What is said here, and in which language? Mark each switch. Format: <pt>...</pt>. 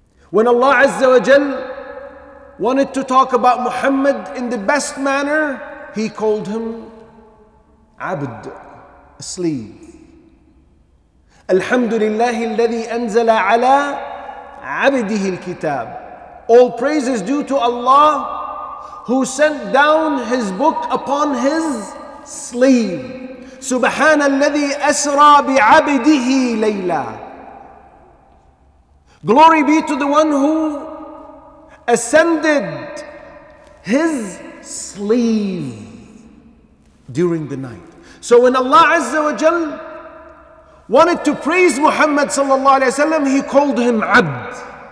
<en>When Allah Azza wa Jal wanted to talk about Muhammad in the best manner, He called him Abd, a slave.</en> <ar>Alhamdulillahi alladhi anzala ala عبده الكتاب.</ar> <en>All praise is due to Allah who sent down His book upon His slave.</en> <ar>سبحان الذي أسرى بعبده ليلا.</ar> <en>Glory be to the one who ascended His slave during the night. So when Allah Azza wa Jal wanted to praise Muhammad sallallahu alayhi wa sallam, He called him Abd.</en>